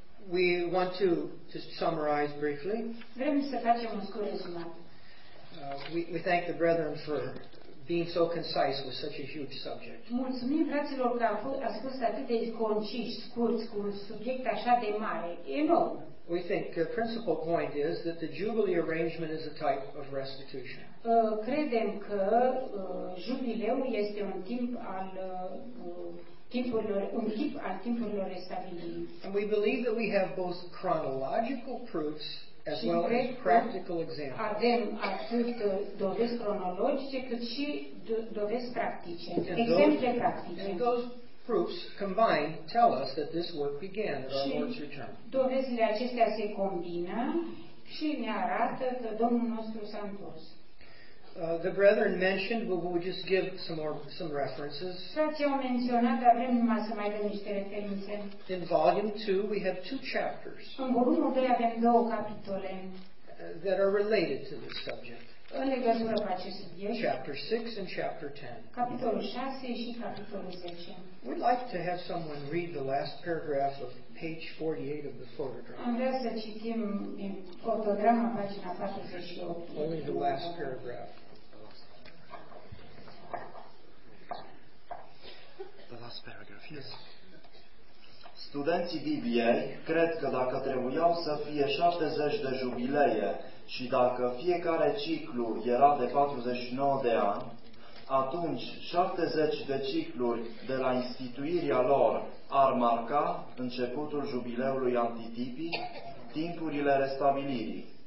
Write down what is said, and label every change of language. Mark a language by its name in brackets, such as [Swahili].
[English] We want to just summarize briefly. We thank the brethren for being so concise with such a huge subject. [Romanian] Mulțumim fraților că a spus atât de concis, scurt, cu un subiect așa de mare, enorm. [English] We think the principal point is that the jubilee arrangement is a type of restitution. [Romanian] Credem că jubileu este un timp al timpurilor, un tip al timpurilor restabilirii. [English] And we believe that we have both chronological proofs as well as practical examples. [Romanian] Avem atât dovezi cronologice cât și dovezi practice, exemple practice. [English] Proofs combined tell us that this work began at our Lord's return. [Romanian] Dovezile acestea se combină și ne arată că Domnul nostru s-a întors. [English] The brethren mentioned, but we'll just give some references. [Romanian] Frații au menționat, dar vrem numai să mai dăm niște referințe. [English] In volume 2 we have two chapters. [Romanian] În volumul 2 avem două capitole [English] that are related to this subject. [Romanian] În legătură cu acest subiect. [English] Chapter 6 and chapter 10. [Romanian] Capitolul 6 și capitolul 10. [English] We'd like to have someone read the last paragraph of page 48 of the photogram. [Romanian] Am vrea să citim din fotograma pagina 48. [English] Only the last paragraph. The last paragraph, yes. [Romanian] Studenții Bibliei cred că dacă trebuiau să fie 70 de jubilee și dacă fiecare ciclu era de 49 de ani, atunci 70 de cicluri de la instituirea lor ar marca începutul jubileului antitipii, timpurile restabilirii.